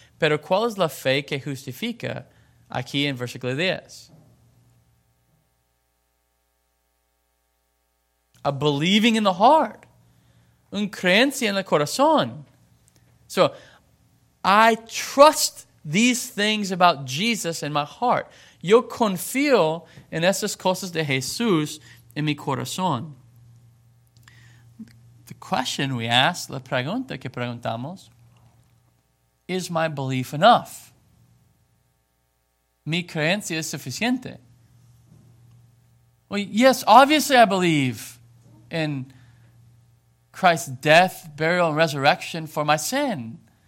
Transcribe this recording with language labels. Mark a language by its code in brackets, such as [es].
[es] Pero ¿cuál es la fe que justifica aquí en versículo 10? [en] a believing in the heart. [es] Un creencia en el corazón. [en] So, I trust these things about Jesus in my heart. [es] Yo confío en esas cosas de Jesús en mi corazón. [en] The question we ask, [es] la pregunta que preguntamos, [en] is my belief enough? [es] ¿Mi creencia es suficiente? [en] Well, yes, obviously I believe in Christ's death, burial, and resurrection for my sin.